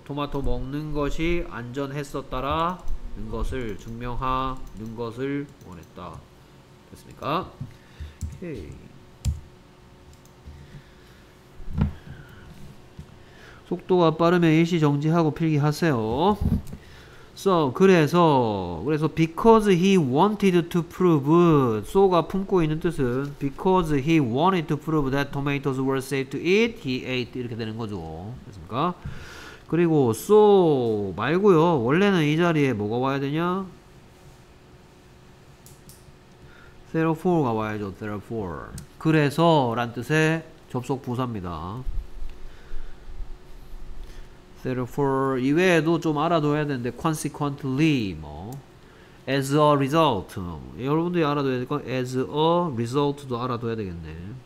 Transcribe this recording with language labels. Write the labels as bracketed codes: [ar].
[ko] 토마토 먹는 것이 안전했었다라는 것을 증명하는 것을 원했다. 됐습니까? 오케이. 속도가 빠르면 일시 정지하고 필기하세요. [en] So, [ko] 그래서 [en] because he wanted to prove, so가 [ko] 품고 있는 뜻은 [en] because he wanted to prove that tomatoes were safe to eat, he ate [ko] 이렇게 되는 거죠. 됐습니까? 그리고 so 말고요. 원래는 이 자리에 뭐가 와야 되냐? Therefore가 와야죠. Therefore. 그래서 란 뜻의 접속 부사입니다. Therefore 이외에도 좀 알아둬야 되는데 consequently 뭐 [en] as a result [ko] 여러분들이 알아둬야 될 건 as a result도 알아둬야 되겠네.